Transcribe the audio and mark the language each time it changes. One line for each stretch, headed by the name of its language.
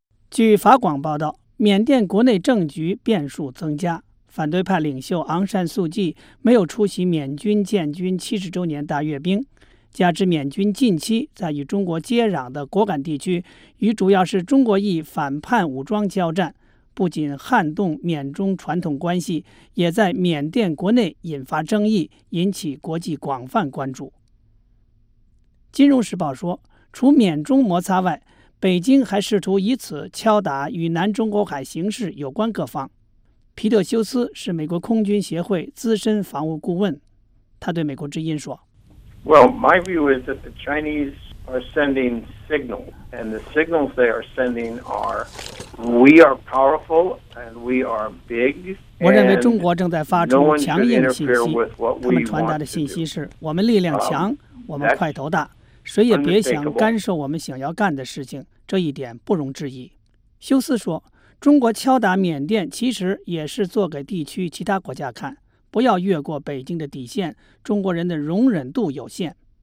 Chinese: 据法广报道，缅甸国内政局变数增加，反对派领袖昂山素季没有出席缅军建军70周年大阅兵，加之缅军近期在与中国接壤的果敢地区与主要是中国裔反叛武装交战，不仅撼动缅中传统关系，也在缅甸国内引发争议，引起国际广泛关注。金融时报说，除缅中摩擦外，北京还试图以此敲打与南中国海形势有关各方。皮特修斯是美国空军协会资深防务顾问，他对美国之音说
English: ：“Well, my view is that the Chinese are sending signals, and the signals they are sending are, we are powerful and we are big.”
Chinese: 我认为中国正在发出强硬信息，他们传达的信息是：我们力量强，我们块头大。谁也别想干涉我们想要干的事情，这一点不容置疑。休斯说，中国敲打缅甸其实也是做给地区其他国家看，不要越过北京的底线，中国人的容忍度有限。